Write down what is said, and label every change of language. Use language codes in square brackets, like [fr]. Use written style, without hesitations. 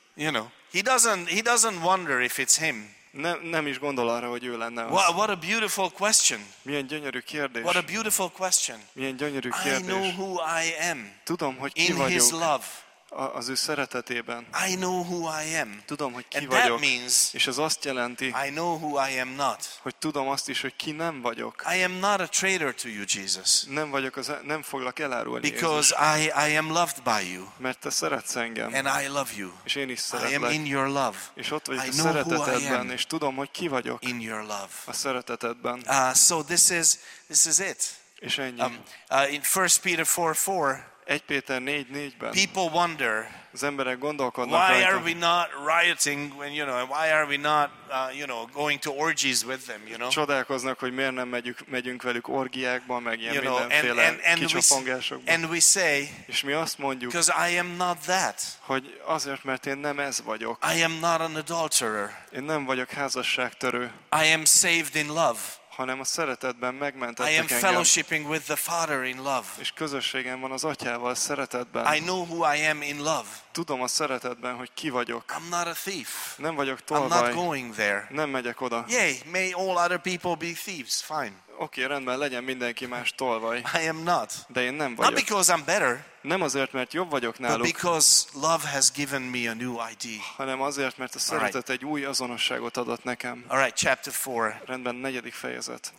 [en] You know, he doesn't wonder if it's him. [hu] Nem is gondol arra, hogy ő lenne az. [en] What a beautiful question. [hu] Milyen gyönyörű kérdés. [en] What a beautiful question. [hu] Milyen gyönyörű kérdés. [en] I know who I am. [hu] Tudom, hogy ki [en] in [hu] vagyok. [en] His love. [hu] az ő szeretetében. [en] I know who I am. [hu] Tudom, hogy ki [en] and [hu] vagyok. [en] That means, [hu] és ez azt jelenti, [en] I know who I am not. [hu] Hogy tudom azt is, hogy ki nem vagyok. [en] I am not a traitor to you, Jesus. [hu] Nem vagyok az, nem foglak elárulni. [en] Because [hu] Jézus. [en] I am loved by you. [hu] Mert te szeretsz engem. [en] And I love you. [hu] És én is szeretlek. [en] I am in your love. [hu] És ott vagyok a szeretetedben, és tudom, hogy ki vagyok. [en] In your love. [hu] A szeretetedben. [en] So this is it. [hu] És ennyi. [en] In 1 Peter 4:4. [hu] 1 Péter 4:4-ben. [en] People wonder. [hu] Az emberek gondolkodnak. [en] Why are we not rioting when you know? Why are we not you know going to orgies with them? You know. [hu] Csodálkoznak, hogy miért nem megyünk velük orgiákba, meg ilyen mindenféle kicsapongásokba. [en] And we say. [hu] És mi azt mondjuk. [en] Because I am not that. [hu] Hogy azért, mert én nem ez vagyok. [en] I am not an adulterer. [hu] Én nem vagyok házasságtörő. [en] I am saved in love. [hu] Hanem a szeretetben megmentettek engem. [en] I am fellowshipping with the Father in love. [hu] És közösségem van az Atyával szeretetben. [en] I know who I am in love. [hu] Tudom a szeretetben, hogy ki vagyok. [en] I'm not a thief. [hu] Nem vagyok tolvaj. [en] I'm not going there. [hu] Nem megyek oda. [en] Yay, may all other people be thieves. Fine. [hu] Oké, rendben, legyen mindenki más tolvaj. [en] I am not. [hu] De én nem vagyok. [en] Not because I'm better. [hu] Nem azért, mert jobb vagyok náluk. [en] But because love has given me a new ID. [hu] Hanem azért, mert a szeretet [en] right. [hu] egy új azonosságot adott nekem. [en] All right, chapter 4. [hu] Rendben, negyedik fejezet.